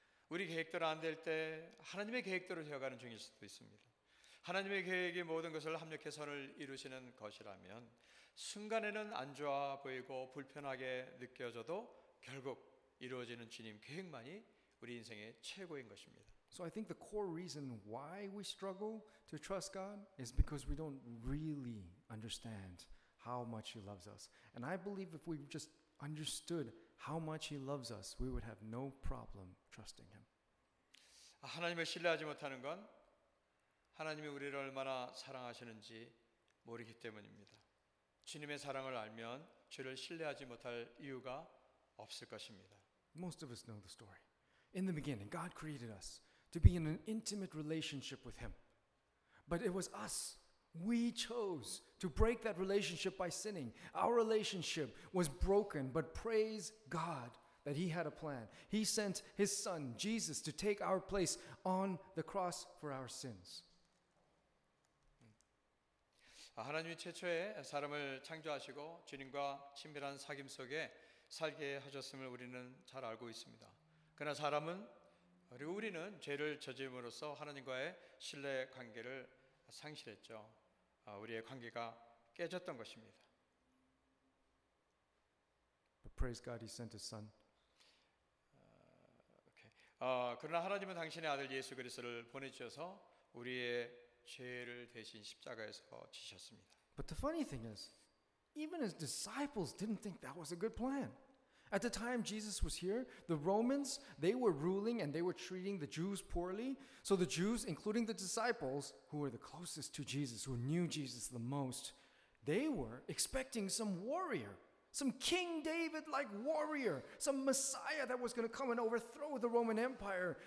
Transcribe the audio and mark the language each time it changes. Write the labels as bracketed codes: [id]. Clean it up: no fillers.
[ko] 우리 계획대로 안 될 때 하나님의 계획대로 되어가는 중일 수도 있습니다. 하나님의 계획이 모든 것을 합력해 선을 이루시는 것이라면 순간에는 안 좋아 보이고 불편하게 느껴져도 결국 이루어지는 주님 계획만이 우리 인생의 최고인 것입니다. [en] So I think the core reason why we struggle to trust God is because we don't really understand how much he loves us. And I believe if we just understood how much he loves us, we would have no problem trusting him. [ko] 하나님을 신뢰하지 못하는 건 하나님이 우리를 얼마나 사랑하시는지 모르기 때문입니다. 주님의 사랑을 알면 주를 신뢰하지 못할 이유가 없을 것입니다. [en] Most of us know the story. In the beginning, God created us to be in an intimate relationship with him. But it was us. We chose to break that relationship by sinning. Our relationship was broken, but praise God that he had a plan. He sent his son, Jesus, to take our place on the cross for our sins. [ko] 하나님이 최초에 사람을 창조하시고 주님과 친밀한 사귐 속에 살게 하셨음을 우리는 잘 알고 있습니다. 그러나 사람은 그리고 우리는 죄를 저지음으로써 하나님과의 신뢰 관계를 상실했죠. 우리의 관계가 깨졌던 것입니다. [en] But praise God, he sent his son. Okay. [ko] 그러나 하나님은 당신의 아들 예수 그리스도를 보내주셔서 우리의 죄를 대신 십자가에서 지셨습니다. [en] But the funny thing is, even his disciples didn't think that was a good plan. At the time Jesus was here, the Romans, they were ruling and they were treating the Jews poorly. So the Jews, including the disciples, who were the closest to Jesus, who knew Jesus the most, they were expecting some warrior, some King David-like warrior, some Messiah that was going to come and overthrow the Roman Empire.